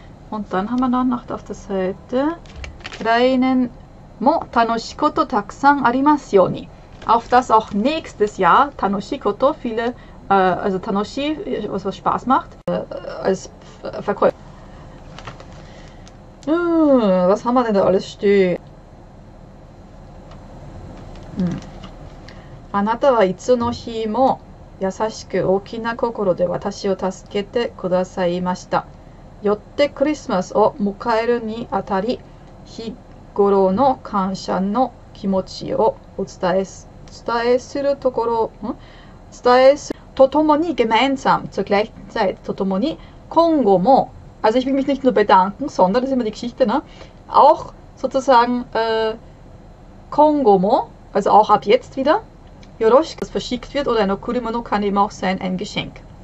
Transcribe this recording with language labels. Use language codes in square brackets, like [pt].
[de] Und dann haben wir dann noch auf der Seite. [ja] Rainen mo tanoshikoto takusan arimasu yo ni. [de] Auf das auch nächstes Jahr Tanoshikoto, viele, also Tanoshi, was Spaß macht, als Verkäufer. Was haben wir denn da alles stehen? [ja] あなたはいつの日も優しく大きな心で私を助けてくださいました。よってクリスマスを迎えるにあたり、日頃の感謝の気持ちをお伝えす。伝えするところ、ん？伝えす、とともに、 [de] gemeinsam, zur gleichen Zeit, [ja] とともに、今後も、 [de] also ich will mich nicht nur bedanken, sondern, das ist immer die Geschichte, ne? Auch, sozusagen, 今後も、also auch ab jetzt wieder, よろしく、das verschickt wird, oder ein Okurimono kann eben auch sein, ein Geschenk.